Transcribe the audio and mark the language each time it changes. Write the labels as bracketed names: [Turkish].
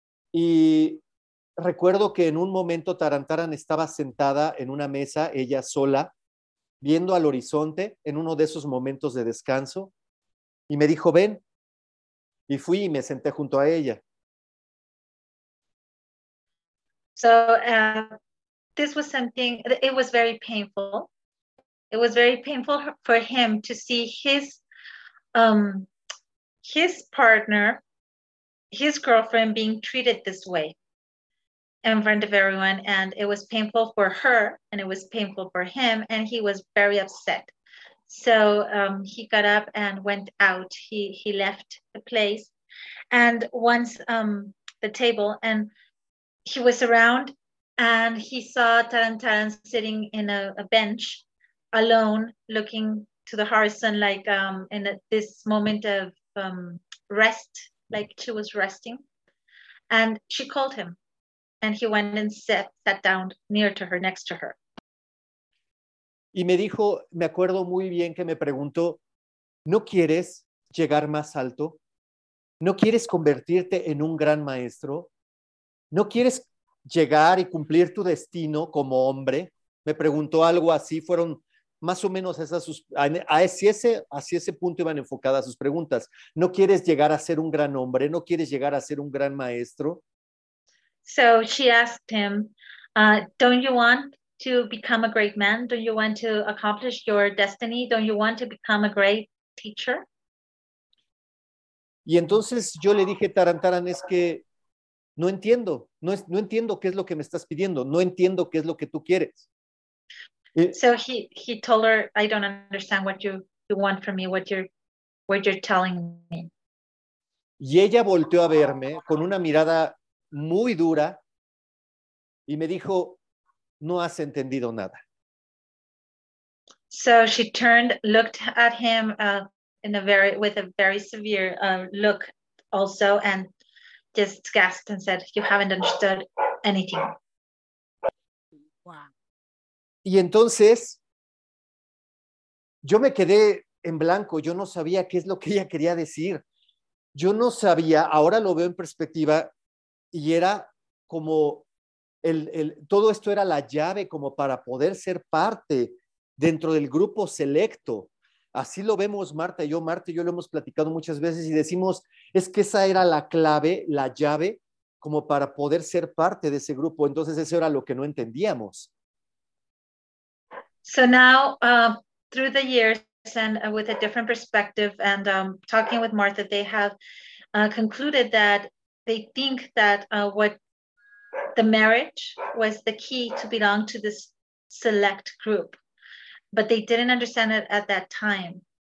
[Spanish] Y recuerdo que en un momento Taran Taran estaba sentada en una mesa, ella sola, viendo al horizonte en uno de esos momentos de descanso, y me dijo: ven. Y fui y me senté junto a ella. [English] So this was something, it was very painful. It was very painful for him to see his partner, his girlfriend being treated this way. in front of everyone, and it was painful for her, and it was painful for him, and he was very upset. So he got up and went out. He left the place, and once the table, and he was around, and he saw Tarantaran sitting in a bench, alone, looking to the horizon, like in this moment of rest, like she was resting. And she called him, and he went and sat down near to her, next to her. [Spanish] Y me dijo, me acuerdo muy bien que me preguntó, ¿no quieres llegar más alto? ¿No quieres convertirte en un gran maestro? ¿No quieres llegar y cumplir tu destino como hombre? Me preguntó algo así, fueron más o menos hacia ese punto iban enfocadas sus preguntas. ¿No quieres llegar a ser un gran hombre? ¿No quieres llegar a ser un gran maestro? [English] So she asked him, don't you want to become a great man? Don't you want to accomplish your destiny? Don't you want to become a great teacher? [Spanish] Y entonces yo le dije, Tarantaran, es que no entiendo. No entiendo qué es lo que me estás pidiendo. No entiendo qué es lo que tú quieres. [English] So he told her, I don't understand what you want from me, what you're telling me. [Spanish] Y ella volteó a verme con una mirada muy dura y me dijo, no has entendido nada. [English] So she turned, looked at him with a very severe look also, and just gasped and said, you haven't understood anything. Wow. [Spanish] Y entonces yo me quedé en blanco, yo no sabía qué es lo que ella quería decir. Yo no sabía, ahora lo veo en perspectiva y era como todo esto era la llave como para poder ser parte dentro del grupo selecto. Así lo vemos Marta y yo lo hemos platicado muchas veces y decimos, es que esa era la clave, la llave como para poder ser parte de ese grupo. Entonces eso era lo que no entendíamos. [English] So now, through the years and with a different perspective and talking with Martha, they have concluded that they think that what the marriage was the key to belong to this select group, but they didn't understand it at that time.